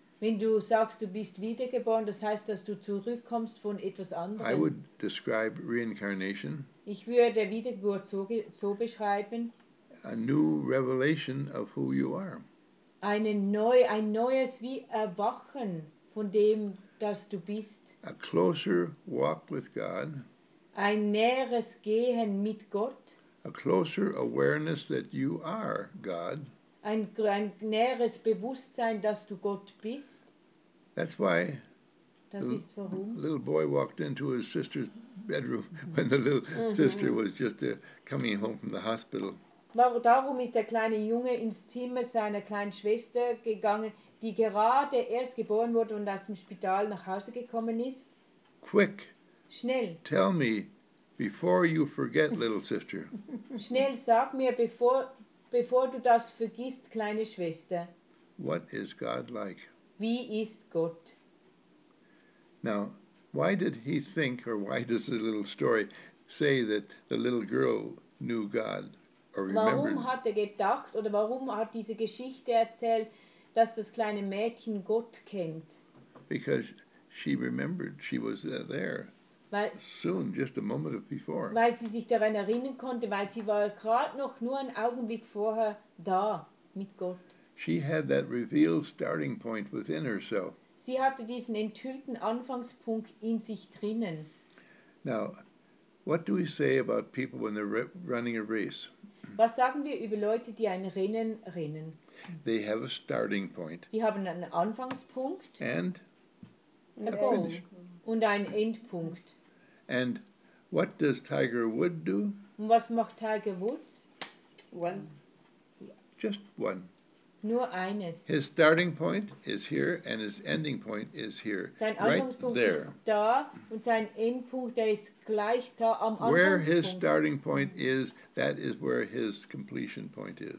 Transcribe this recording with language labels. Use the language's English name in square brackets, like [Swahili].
[German] Wenn du sagst, du bist wiedergeboren, das heißt, dass du zurückkommst von etwas anderem. [English] I would describe reincarnation. [German] Ich würde Wiedergeburt so beschreiben. [English] A new revelation of who you are. [German] Ein neues wie Erwachen von dem, dass du bist. [English] A closer walk with God. [German] Ein näheres Gehen mit Gott. [English] A closer awareness that you are God. [German] Ein näheres Bewusstsein, dass du Gott bist. [English] That's why the little boy walked into his sister's bedroom when the little sister was just coming home from the hospital. [German] Darum ist der kleine Junge ins Zimmer seiner kleinen Schwester gegangen, die gerade erst geboren wurde und aus dem Spital nach Hause gekommen ist. [English] Quick. [German] Schnell. [English] Tell me, before you forget, little sister. [German] Schnell, sag mir, bevor du das vergisst, kleine Schwester. [English] What is God like? [German] Wie ist Gott? [English] Now, why did he think, or why does the little story say that the little girl knew God? [German] Warum hat er gedacht oder warum hat diese Geschichte erzählt, dass das kleine Mädchen Gott kennt? [English] Because she remembered, she was there. [German] Weil, [English] soon, just a moment before. [German] Weil sie sich daran erinnern konnte, weil sie war gerade noch nur einen Augenblick vorher da mit Gott. [English] She had that revealed starting point within herself. [German] Sie hatte diesen enthüllten Anfangspunkt in sich drinnen. [English] Now, what do we say about people when they're running a race? [German] Was sagen wir über Leute, die ein Rennen rennen? [English] They have a starting point. [German] Die haben einen Anfangspunkt. [English] And a goal. [German] Und einen Endpunkt. [English] And what does Tiger Woods do? [German] Und was macht Tiger Woods? [English] One. Just one. [German] Nur eines. [English] His starting point is here and his ending point is here. [German] Sein Anfangspunkt ist da und sein Endpunkt, der ist gleich da am Anfangspunkt. [English] Where his starting point is, that is where his completion point is.